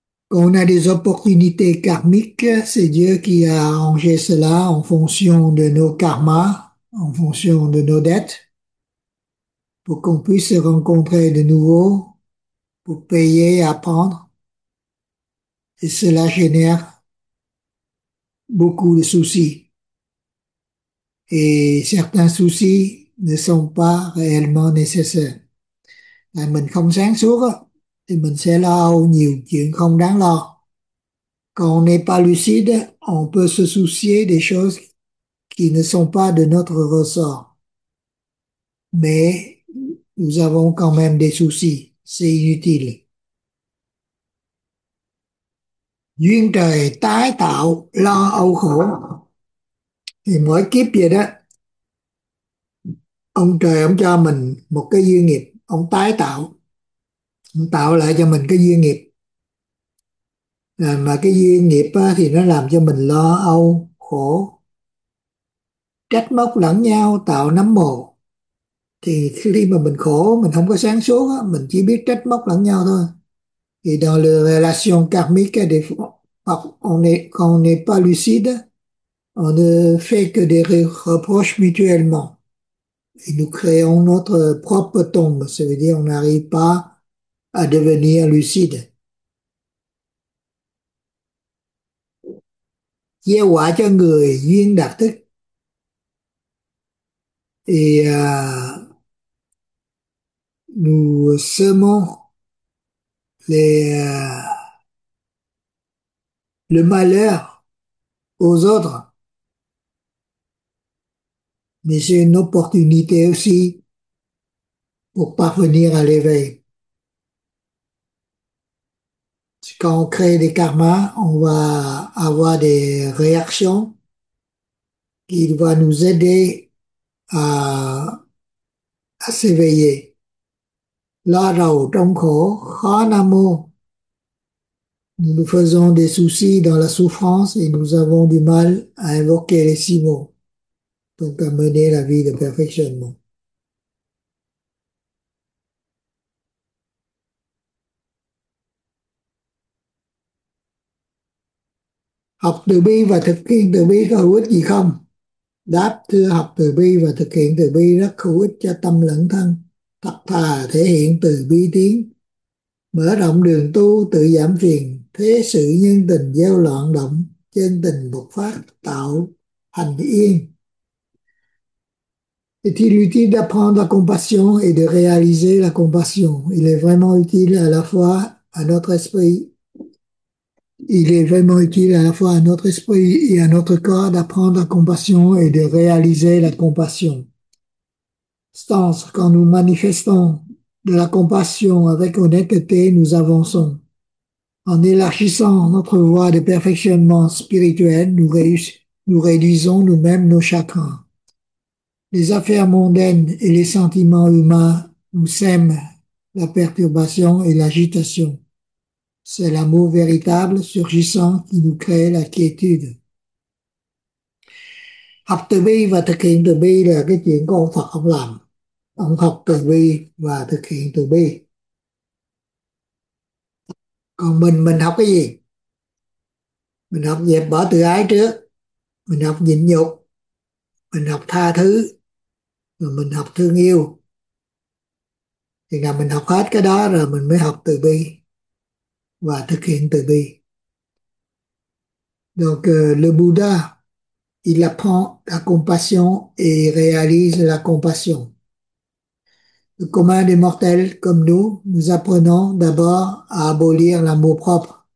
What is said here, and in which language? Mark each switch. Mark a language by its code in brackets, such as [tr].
[fr] On a des opportunités karmiques, c'est Dieu qui a arrangé cela en fonction de nos karmas, en fonction de nos dettes, pour qu'on puisse se rencontrer de nouveau, pour payer et apprendre. Et cela génère beaucoup de soucis. Et certains soucis ne sont pas réellement nécessaires. [vi] Là mình không sáng suốt thì mình sẽ lo nhiều chuyện không đáng lo. [fr] Quand on n'est pas lucide, on peut se soucier des choses qui ne sont pas de notre ressort. Mais nous avons quand même des soucis, c'est inutile. [vi] Duyên trời tái tạo lo âu khổ. Thì mỗi kiếp vậy ông trời ông cho mình một cái duyên nghiệp, ông tái tạo, ông tạo lại cho mình cái duyên nghiệp. Rồi mà cái duyên nghiệp á, thì nó làm cho mình lo âu khổ, trách móc lẫn nhau tạo nấm mồ. Thì khi mà mình khổ, mình không có sáng suốt á, mình chỉ biết trách móc lẫn nhau thôi. [fr] Et dans les relations karmiques, quand on n'est pas lucide, on ne fait que des reproches mutuellement. Et nous créons notre propre tombe. Ça veut dire qu'on n'arrive pas à devenir lucide. [vi] Gieo quả cho người duyên đạt thức. [fr] Et nous semons le malheur aux autres, mais c'est une opportunité aussi pour parvenir à l'éveil. Quand on crée des karmas, on va avoir des réactions qui vont nous aider à s'éveiller. [vi] Lo rầu trong khổ, khó Nam Mô. [fr] Nous nous faisons des soucis dans la souffrance et nous avons du mal à invoquer les six mots, donc à mener la vie de perfectionnement. [vi] Học từ bi và thực hiện từ bi có hữu ích gì không? Đáp, thưa, học từ bi và thực hiện từ bi rất hữu ích cho tâm lẫn thân. Thật thà thể hiện từ bi tín, mở rộng đường tu, tự giảm phiền, thế sự nhân tình gieo loạn động, chân tình bộc phát tạo hành yên. [fr] Est-il utile d'apprendre la compassion et de réaliser la compassion? Il est vraiment utile à la fois à notre esprit. Il est vraiment utile à la fois à notre esprit et à notre corps d'apprendre la compassion et de réaliser la compassion. Stance, quand nous manifestons de la compassion avec honnêteté, nous avançons. En élargissant notre voie de perfectionnement spirituel, nous réduisons nous-mêmes nos chagrins. Les affaires mondaines et les sentiments humains nous sèment la perturbation et l'agitation. C'est l'amour véritable surgissant qui nous crée la quiétude. [vi] Học từ bi và thực hiện từ bi là cái chuyện của ông Phật ông làm. Ông học từ bi và thực hiện từ bi. Còn mình học cái gì? Mình học dẹp bỏ tự ái trước. Mình học nhịn nhục. Mình học tha thứ. Rồi mình học thương yêu. Thì là mình học hết cái đó rồi mình mới học từ bi và thực hiện từ bi. [fr] Donc, le Bouddha, il apprend la compassion et réalise la compassion. Le commun des mortels comme nous, nous apprenons d'abord à abolir l'amour propre.